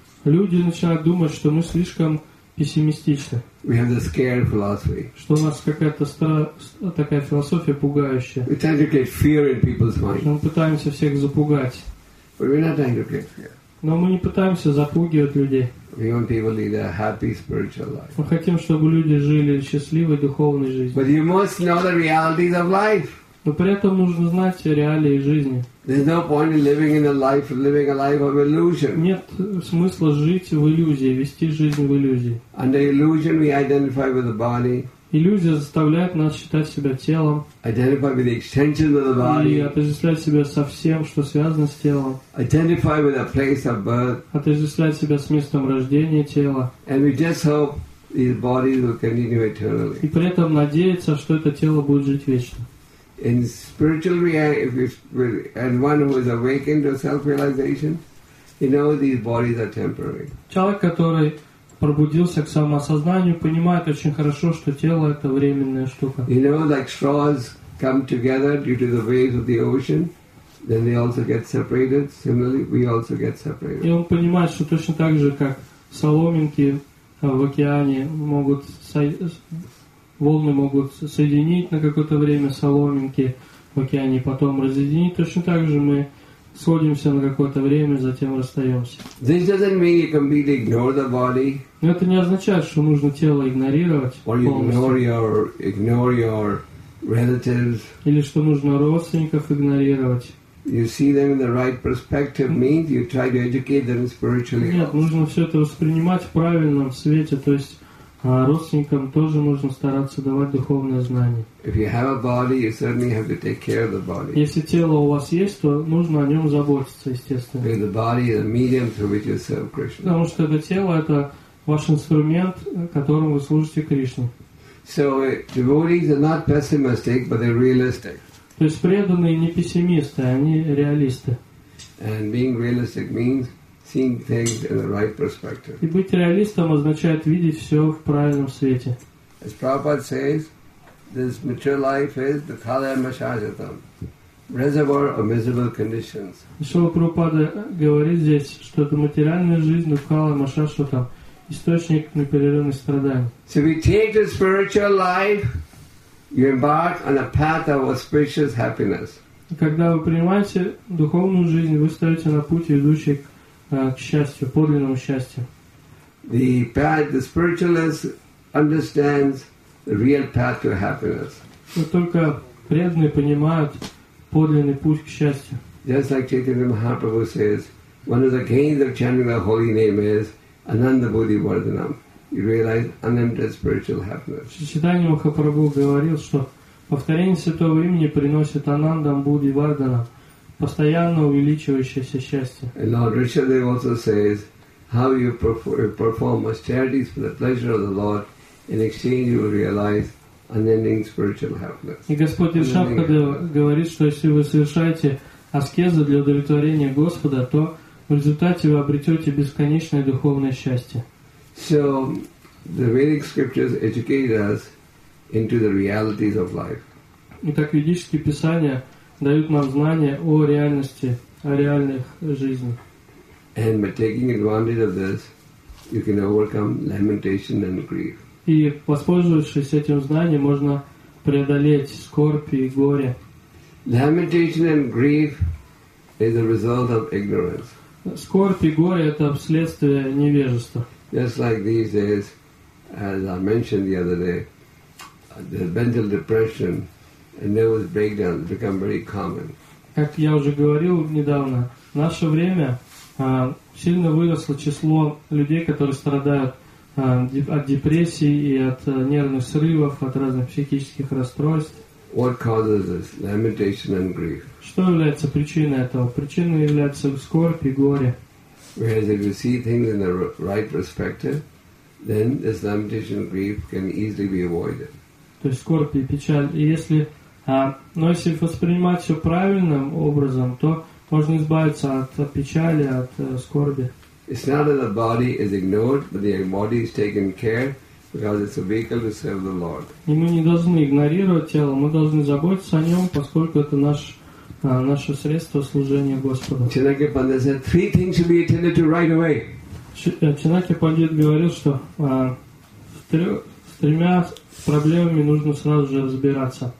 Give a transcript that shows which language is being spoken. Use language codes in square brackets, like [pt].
[ru] Люди начинают думать, что мы слишком пессимистичны. [en] We have the scared philosophy. [ru] Что у нас какая-то такая философия пугающая. [en] We tend to create fear in people's minds. [ru] Мы пытаемся всех запугать. [en] But we're not trying to create fear. [ru] Но мы не пытаемся запугивать людей. [en] We want people to lead a happy spiritual life. [ru] Мы хотим, чтобы люди жили счастливой духовной жизнью. [en] But you must know the realities of life. [ru] Но при этом нужно знать реалии жизни. [en] There's no point in living in a life, living a life of illusion. [ru] Нет смысла жить в иллюзии, вести жизнь в иллюзии. [en] Under illusion, we identify with the body. [ru] Иллюзия заставляет нас считать себя телом. [en] Identify with the extension of the body. [ru] И отождествлять себя со всем, что связано с телом. [en] Identify with the place of birth. [ru] Отождествлять себя с местом рождения тела. [en] And we just hope these bodies will continue eternally. [ru] И при этом надеяться, что это тело будет жить вечно. [en] In spiritual reality, and one who is awakened to self-realization, he knows these bodies are temporary. [ru] Человек, который пробудился к самоосознанию, понимает очень хорошо, что тело — это временная штука. [en] You know, like straws come together due to the waves of the ocean, then they also get separated. Similarly, we also get separated. [ru] И он понимает, что точно так же, как соломинки в океане могут волны могут соединить на какое-то время соломинки в океане, потом разъединить. Точно так же мы сходимся на какое-то время, затем расстаемся. [en] This doesn't mean you completely ignore the body. [ru] Но это не означает, что нужно тело игнорировать полностью. [en] Or ignore your relatives. [ru] Или что нужно родственников игнорировать. [en] You see them in the right perspective means you try to educate them spiritually. [ru] Нет, нужно все это воспринимать в правильном свете, то есть а родственникам тоже нужно стараться давать духовное знание. [en] If you have a body, you certainly have to take care of the body. [ru] Если тело у вас есть, то нужно о нем заботиться, естественно. [en] Because the body is a medium through which you serve Krishna. [ru] Потому что это тело — это ваш инструмент, которым вы служите Кришне. [en] So devotees are not pessimistic, but they're realistic. [ru] То есть преданные не пессимисты, они реалисты. [en] And being realistic means seeing things in the right perspective. [ru] И быть реалистом означает видеть все в правильном свете. [en] As Prabhupada says, this material life is the thalayamashajatam, reservoir of miserable conditions. [ru] Шрила Прабхупада говорит здесь, что это материальная жизнь, дхалаямашажатам, источник непрерывных страданий. [en] So we take the spiritual life, you embark on a path of auspicious happiness. [ru] Когда вы принимаете духовную жизнь, вы встаете на путь, ведущий к счастью, подлинному счастью. [en] The spiritualist understands the real path to happiness. [ru] Но только преданные понимают подлинный путь к счастью. [en] Just like Chaitanya Mahaprabhu says, one of the gains of chanting the holy name is [sa] Ananda Bodhi Vardhanam. [en] You realize unlimited spiritual happiness. [ru] Чайтанья Махапрабху говорил, что повторение святого имени приносит [sa] Анандам Бодхи Вардханам. [ru] Постоянно увеличивающееся счастье. [en] And Lord Rishadev also says, how you perform austerities for the pleasure of the Lord, in exchange you will realize unending spiritual happiness. [ru] И Господь Ришабхадев говорит, что если вы совершаете аскезы для удовлетворения Господа, то в результате вы обретете бесконечное духовное счастье. [en] So, the Vedic scriptures educate us into the realities of life. [ru] Итак, ведические писания дают нам знания о реальности, о реальных жизнях. [en] And by taking advantage of this, you can overcome lamentation and grief. [ru] И воспользовавшись этим знанием, можно преодолеть скорбь и горе. [en] Lamentation and grief is a result of ignorance. [ru] Скорбь и горе – это вследствие невежества. [en] Just like these days, as I mentioned the other day, the mental depression and nervous breakdowns become very common. [ru] Как я уже говорил недавно, в наше время сильно выросло число людей, которые страдают от депрессии и от нервных срывов, от разных психических расстройств. [en] What causes this? Lamentation and grief. [ru] Что является причиной этого? Причиной является скорбь и горе. [en] Whereas if you see things in the right perspective, then this lamentation and grief can easily be avoided. [ru] То есть скорбь и печаль. И если, но если воспринимать все правильным образом, то можно избавиться от печали, от скорби. [en] It's not that the body is ignored, but the body is taken care of. Because it's a vehicle to serve the Lord. [ru] И мы не должны игнорировать тело, мы должны заботиться о нем, поскольку это наше средство служения Господу. [en] Чинаки Пандит said three things should be attended to right away. [ru] Чинаки Пандит говорил, что с тремя проблемами нужно сразу же разбираться.